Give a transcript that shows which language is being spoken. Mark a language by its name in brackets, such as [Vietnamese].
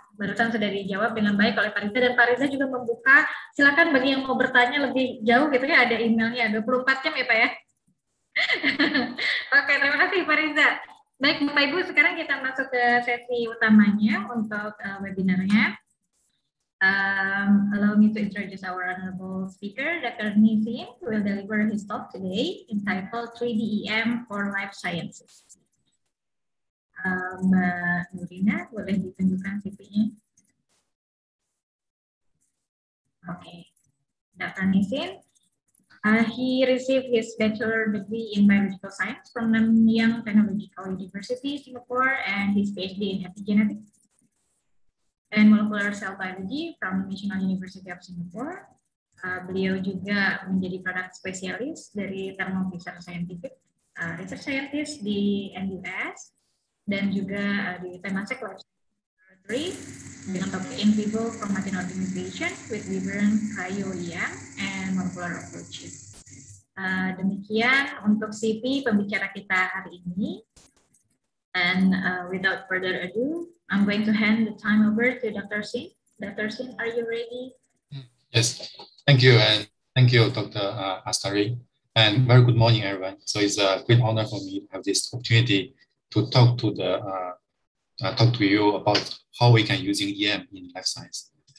[Indonesian] Barusan sudah dijawab dengan baik oleh Pak Riza, dan Pak Riza juga membuka, silakan bagi yang mau bertanya lebih jauh gitu ya, ada emailnya 24 jam ya Pak ya. Oke, terima kasih Pak Riza. Baik Bapak Ibu, sekarang kita masuk ke sesi utamanya untuk webinarnya. [English] Allow me to introduce our honorable speaker, Dr. Nie Xin, who will deliver his talk today entitled 3DEM for Life Sciences. [Indonesian] Mbak Nurina, boleh ditunjukkan CV-nya? [English] Okay. Dr. Nie Xin, he received his bachelor degree in biological science from Nanyang Technological University, Singapore, and his PhD in epigenetics and molecular cell biology from National University of Singapore. [Indonesian] Beliau juga menjadi product specialist dari Thermo research scientist di NUS dan juga di Temasek Lab [English] laboratory untuk in vivo chromatin optimization with different cryo-EM and molecular approaches. [Indonesian] Demikian untuk CV pembicara kita hari ini. [English] And without further ado, I'm going to hand the time over to Dr. Xin. Dr. Xin, are you ready? Yes, thank you. And thank you, Dr. Astari. And very good morning, everyone. So it's a great honor for me to have this opportunity to talk to the talk to you about how we can using EM in life science.